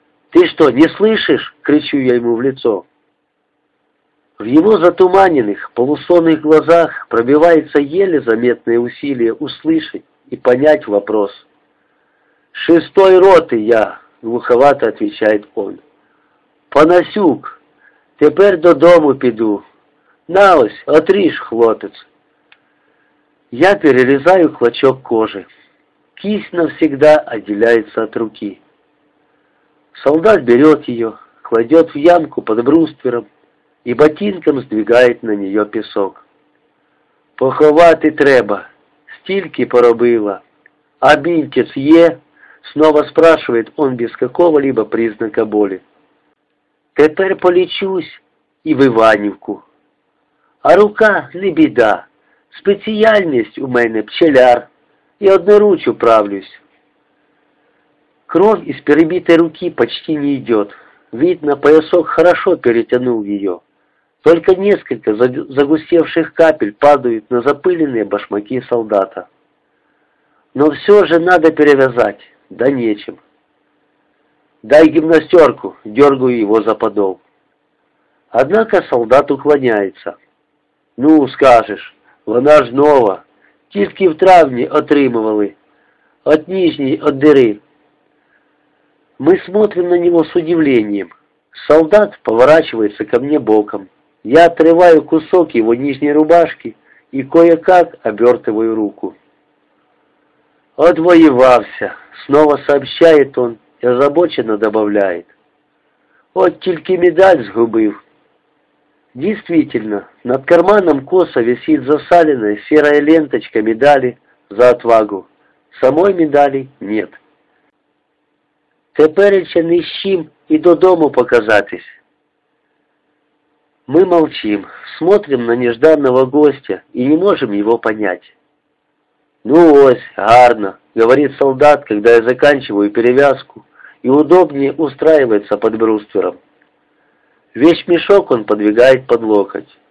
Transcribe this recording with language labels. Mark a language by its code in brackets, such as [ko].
[ru] «Ты что, не слышишь?» — кричу я ему в лицо. В его затуманенных, полусонных глазах пробивается еле заметное усилие услышать и понять вопрос. «Шестой роты я», — глуховато отвечает он. [uk] «Панасюк, теперь додому піду. Наось, отріж, хлопец». [ru] Я перерезаю клочок кожи. Кисть навсегда отделяется от руки. Солдат берет ее, кладет в ямку под бруствером, и ботинком сдвигает на нее песок. [uk] «Поховати треба, стільки поробила. А бінтець є?» [ru] — снова спрашивает он без какого-либо признака боли. [uk] «Тепер полечусь и в Іванівку. А рука не біда, спеціальність у мене пчеляр, і одноруч управлюсь». [ru] Кровь из перебитой руки почти не идет. Видно, поясок хорошо перетянул ее. Только несколько загустевших капель падают на запыленные башмаки солдата. Но все же надо перевязать, да нечем. «Дай гимнастерку», — дергаю его за подол. Однако солдат уклоняется. [uk] «Ну, скажешь, вона ж нова, тільки в травні отримували, [ru] от нижней, от дыры». Мы смотрим на него с удивлением. Солдат поворачивается ко мне боком. Я отрываю кусок его нижней рубашки и кое-как обертываю руку. «Отвоевався», — снова сообщает он и озабоченно добавляет. [uk] «От тільки медаль згубив». [ru] Действительно, над карманом косо висит засаленная серая ленточка медали за отвагу. Самой медали нет. [uk] «Тепереча не щим и додому показатись». [ru] Мы молчим, смотрим на нежданного гостя и не можем его понять. [uk] «Ну ось, гарно», [ru] — говорит солдат, когда я заканчиваю перевязку и удобнее устраивается под бруствером. Вещмешок он подвигает под локоть.